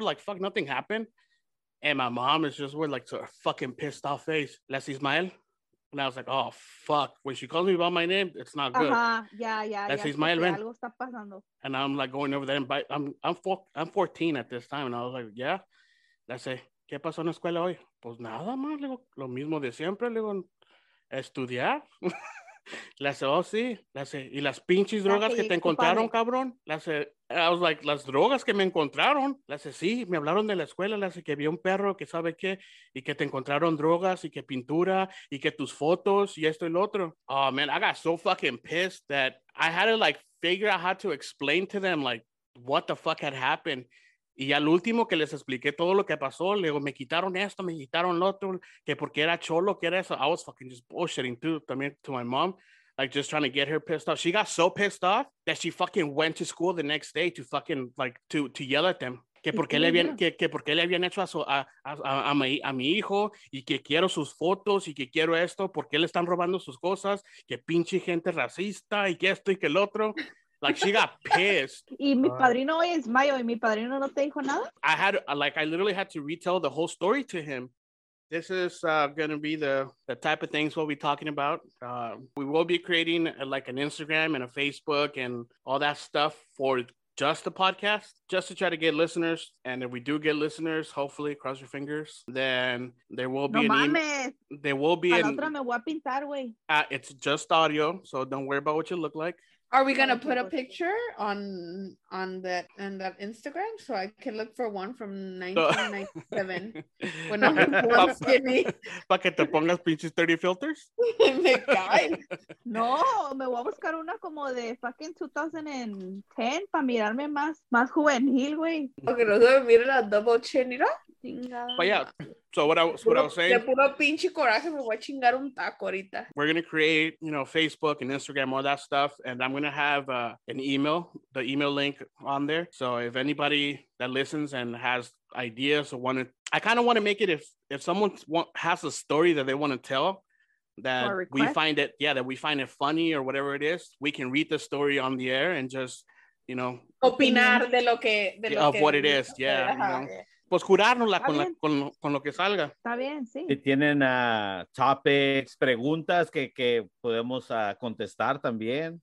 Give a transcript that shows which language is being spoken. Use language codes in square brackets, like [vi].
[en] Like, fuck, nothing happened. And my mom is just with, like, sort of fucking pissed off face. Let's smile. And I was like, oh, fuck. When she calls me by my name, it's not good. Yeah. That's my event. And I'm like going over there. I'm 14 at this time. And I was like, yeah. Let's say, [es] ¿qué pasó en la escuela hoy? Pues nada más. Le digo, lo mismo de siempre. Le digo, estudiar. [en] Let's say, oh, [es] sí. [en] Let's say, [es] ¿y las pinches drogas que te encontraron, cabrón? [en] Let's say, I was like, [es] las drogas que me encontraron. [en] Let's say, [es] sí, me hablaron de la escuela. Let's say, que vi un perro, que sabe qué, y que te encontraron drogas, y que pintura, y que tus fotos, y esto y lo otro. [en] Oh, man, I got so fucking pissed that I had to, like, figure out how to explain to them, like, what the fuck had happened. [es] Y al último que les expliqué todo lo que pasó, le digo, me quitaron esto, me quitaron lo otro, que porque era cholo, que era eso. [en] I was fucking just bullshitting to my mom, like, just trying to get her pissed off. She got so pissed off that she fucking went to school the next day to fucking, like, to yell at them. [es] Que porque le habían hecho a mi hijo, y que quiero sus fotos, y que quiero esto, porque le están robando sus cosas, que pinche gente racista, y que esto y que el otro. [en] Like, she got pissed. [es] Y mi padrino hoy es mayo, y mi padrino no te dijo nada. [en] I literally had to retell the whole story to him. This is going to be the type of things we'll be talking about. We will be creating an Instagram and a Facebook and all that stuff for just the podcast, just to try to get listeners. And if we do get listeners, hopefully, cross your fingers, then there will be it's just audio, so don't worry about what you look like. Are we going to put a picture on that Instagram so I can look for one from 1997 when I was skinny? [es] Para que te pongas pinches 30 filters? Me caes. No, me voy a buscar una como de fucking 2010 para mirarme más juvenil, güey. Okay, no se me mire la [en] double chin, [es] mira. [en] But yeah, so what I was saying, [es] de puro pinche coraje, me voy a chingar un taco ahorita. [en] We're going to create, you know, Facebook and Instagram, all that stuff. And I'm going to have an email, the email link on there. So if anybody that listens and has ideas or wanted, I kind of want to make it if someone has a story that they want to tell, that we find it, yeah, that we find it funny or whatever it is, we can read the story on the air and just, you know, [es] opinar de lo que [en] of what it is. Yeah. Okay, you know? Yeah. [es] pues curárnosla con lo que salga. Está bien, sí. Si tienen topics, preguntas que podemos contestar también.